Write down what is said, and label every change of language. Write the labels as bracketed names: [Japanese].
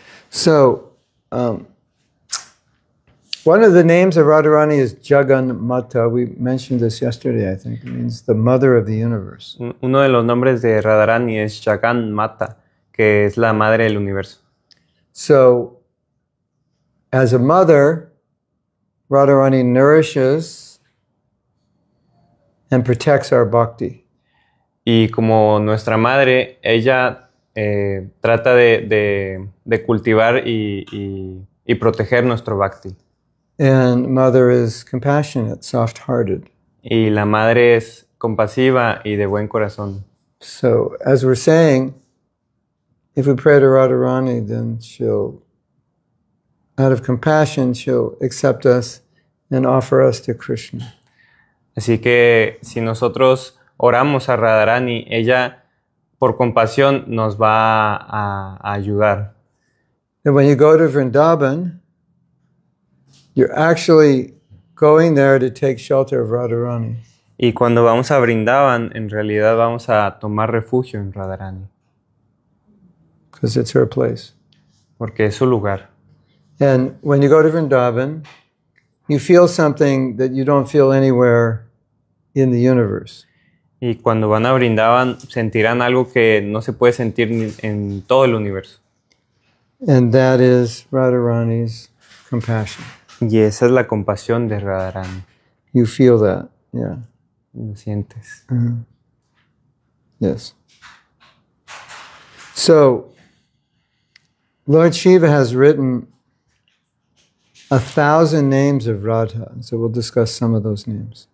[English] So, one of the names of Radharani is Jagannamata. We mentioned this yesterday, I think. It means the mother of the universe. [Spanish] Uno de los nombres de Radharani es Jagannamata, que es la madre del universo. [English] So, as a mother, Radharani nourishes and protects our bhakti. [Spanish] Y como nuestra madre, ella trata de cultivar y proteger nuestro bhakti. [English] And mother is compassionate, soft-hearted. [Spanish] Y la madre es compasiva y de buen corazón. [English] So, as we're saying, if we pray to Radharani, then she'll, out of compassion, she'll accept us and offer us to Krishna. [Spanish] Así que si nosotros oramos a Radharani, ella por compasión nos va a ayudar. [English] And when you go to Vrindavan, you're actually going there to take shelter of Radharani. [Spanish] Y cuando vamos a Vrindavan, en realidad vamos a tomar refugio en Radharani. [English] Because it's her place. [Spanish] Porque es su lugar. [English] And when you go to Vrindavan, you feel something that you don't feel anywhere in the universe. [Spanish] Y cuando van a Vrindavan, sentirán algo que no se puede sentir en todo el universo. [English] And that is Radharani's compassion. [Spanish] Y esa es la compasión de Radharani. [English] You feel that, yeah. [Spanish] Lo sientes. [English] Mm-hmm. Yes. So, Lord Shiva has written 1,000 names of Radha, so we'll discuss some of those names.